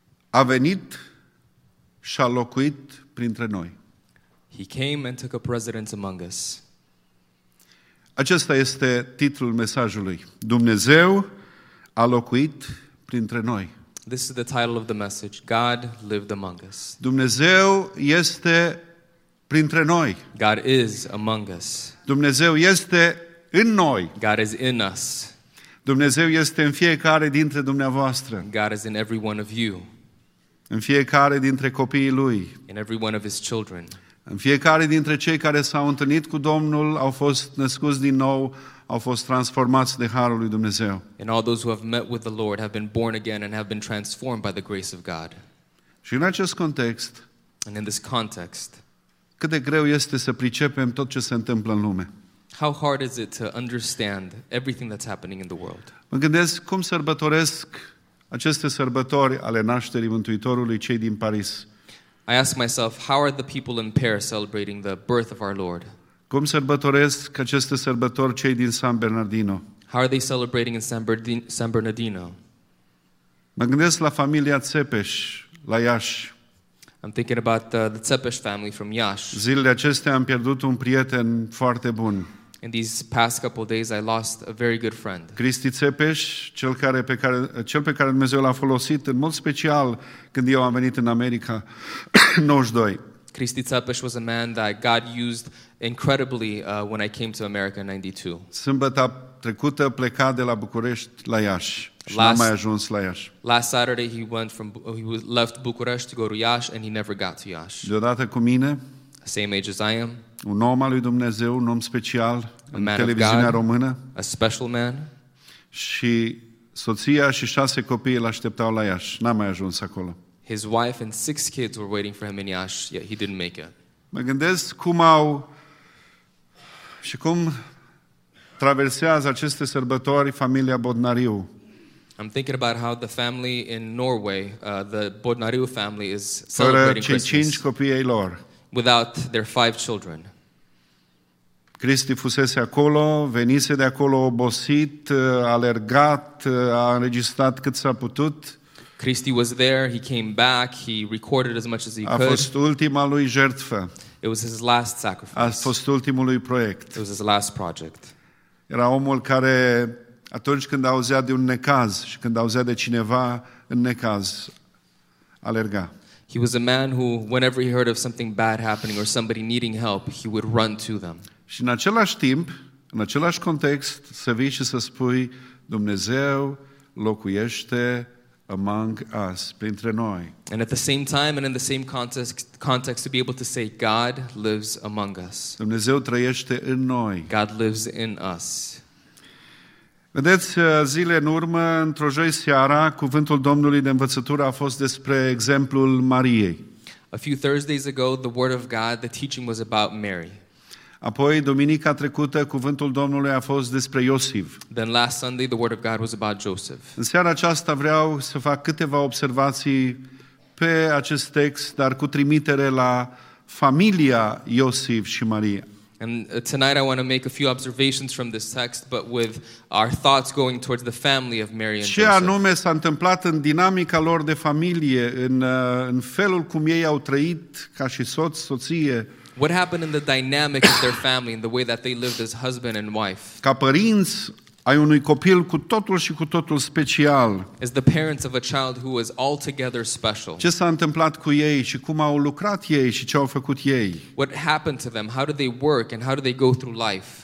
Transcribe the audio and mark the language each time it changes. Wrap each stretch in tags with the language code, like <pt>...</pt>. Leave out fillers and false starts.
<ro>A venit și a locuit printre noi.</ro> <en>He came and took up residence among us.</en> <ro>Acesta este titlul mesajului. Dumnezeu a locuit printre noi.</ro> <en>This is the title of the message. God lived among us.</en> <ro>Dumnezeu este printre noi.</ro> <en>God is among us.</en> <ro>Dumnezeu este în noi.</ro> <en>God is in us.</en> <ro>Dumnezeu este în fiecare dintre dumneavoastră.</ro> <en>God is in every one of you.</en> <ro>În fiecare dintre copiii lui.</ro> <en>In every one of his children.</en> <ro>În fiecare dintre cei care s-au întâlnit cu Domnul, au fost născuți din nou, au fost transformați de harul lui Dumnezeu.</ro> <en>And all those who have met with the Lord have been born again and have been transformed by the grace of God.</en> <ro>Și în acest context,</ro> <en>and in this context,</en> <ro>cât de greu este să pricepem tot ce se întâmplă în lume.</ro> <en>How hard is it to understand everything that's happening in the world?</en> <ro>Mă gândesc cum sărbătoresc aceste sărbători ale nașterii Mântuitorului cei din Paris.</ro> <en>I ask myself, how are the people in Paris celebrating the birth of our Lord?</en> <ro>Cum sărbătoresc aceste sărbători cei din San Bernardino?</ro> <en>How are they celebrating in San Bernardino?</en> <ro>Mă gândesc la familia Țepeș, la Iași.</ro> <en>I'm thinking about the Țepeș family from Iași.</en> <ro>Zilele acestea am pierdut un prieten foarte bun.</ro> <en>In these past couple days I lost a very good friend.</en> <ro>Cristi Țepeș, cel pe care Dumnezeu l-a folosit în mod special când eu am venit în America 92.</ro> <en>Cristi Țepeș was a man that God used incredibly when I came to America in 92.</en> <ro>Sâmbătă trecută pleca de la București la Iași și n-a mai ajuns la Iași.</ro> <en>Last Saturday he left București to go to Iași and he never got to Iași.</en> <ro>Deodată cu mine,</ro> <en>same age as I am.</en> <ro>Un om al lui Dumnezeu, un om special în televiziunea română.</ro> <en>A special man.</en> <ro>Și soția și 6 copii îl așteptau la Iași. N-a mai ajuns acolo.</ro> <en>His wife and 6 kids were waiting for him in Iași, yet he didn't make it.</en> <ro>Mă gândesc cum traversează aceste sărbători familia Bodnariu.</ro> <en>I'm thinking about how the family in Norway, the Bodnariu family is celebrating Christmas.</en> <ro>5 copii ai lor.</ro> <en>Without their 5 children.</en> <ro>Cristi fusese acolo, venise de acolo obosit, alergat, a înregistrat cât s-a putut.</ro> <en>Cristi was there, he came back, he recorded as much as he could.</en> <ro>A fost ultima lui jertfă.</ro> <en>It was his last sacrifice.</en> <ro>A fost ultimul lui proiect.</ro> <en>It was his last project.</en> <ro>Era omul care atunci când auzea de un necaz și când auzea de cineva în necaz, alerga.</ro> <en>He was a man who, whenever he heard of something bad happening or somebody needing help, he would run to them.</en> <ro>Și în același timp, în același context, să vii și să spui, Dumnezeu locuiește</ro> <en>among us,</en> <ro>printre noi.</ro> <en>And at the same time and in the same context to be able to say God lives among us.</en> <ro>Dumnezeu trăiește în noi.</ro> <en>God lives in us.</en> <ro>Vedeți, zile în urmă, într-o joi seara, cuvântul Domnului de învățătură a fost despre exemplul Mariei.</ro> <en>A few Thursdays ago, the word of God, the teaching was about Mary.</en> <ro>Apoi, duminica trecută, cuvântul Domnului a fost despre Iosif.</ro> <en>Then last Sunday, the word of God was about Joseph.</en> <ro>În seara aceasta vreau să fac câteva observații pe acest text, dar cu trimitere la familia Iosif și Maria.</ro> <en>And tonight I want to make a few observations from this text, but with our thoughts going towards the family of Mary and</en> <ro>Joseph. Ce anume s-a întâmplat în dinamica lor de familie, în felul cum ei au trăit ca și soț, soție.</ro> <en>What happened in the dynamic of their family, in the way that they lived as husband and wife?</en> <ro>Ca părinți ai unui copil cu totul și cu totul special.</ro> <en>As the parents of a child who was altogether special.</en> <ro>Ce s-a întâmplat cu ei și cum au lucrat ei și ce au făcut ei?</ro> <en>What happened to them? How did they work and how did they go through life?</en>